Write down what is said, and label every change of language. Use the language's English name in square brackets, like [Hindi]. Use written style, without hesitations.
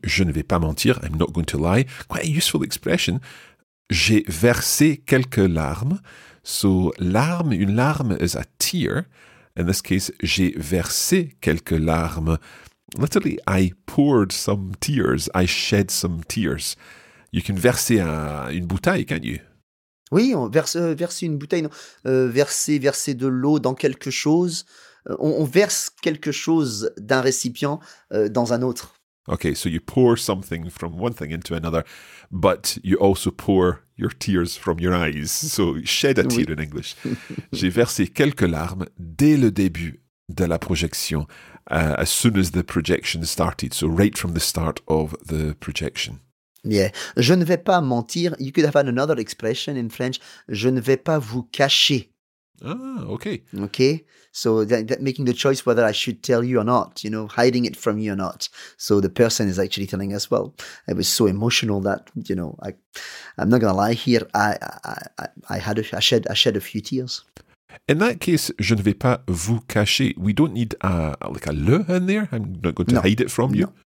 [French] Je ne vais pas mentir, [English] I'm not going to lie. Quite a useful expression. [French] J'ai versé quelques larmes. So, larme, une larme [English] is a tear. In this case, [French] j'ai versé quelques larmes. [English] Literally, I poured some tears. I shed some tears. You can [French] verser une bouteille, [English] can't you? [French] Oui, on verser une bouteille. Non. Verser de l'eau dans quelque chose. On verse quelque chose d'un récipient dans un autre. [English] Okay, so you pour something from one thing into another, but you also pour your tears from your eyes. So shed a tear, oui. In English. [French] J'ai versé quelques larmes dès le début de la projection, [English] as soon as the projection started. So right from the start of the projection. [French] Yeah. Je ne vais pas mentir. [English] You could have another expression in French. [French] Je ne vais pas vous cacher. [English] Ah, okay. Okay, so that making the choice whether I should tell you or not, you know, hiding it from you or not. So the person is actually telling us, well, it was so emotional that, you know, I'm not going to lie here. I shed a few tears. In that case, [French] je ne vais pas vous cacher. [English] We don't need a le in there. I'm not going to hide it from you.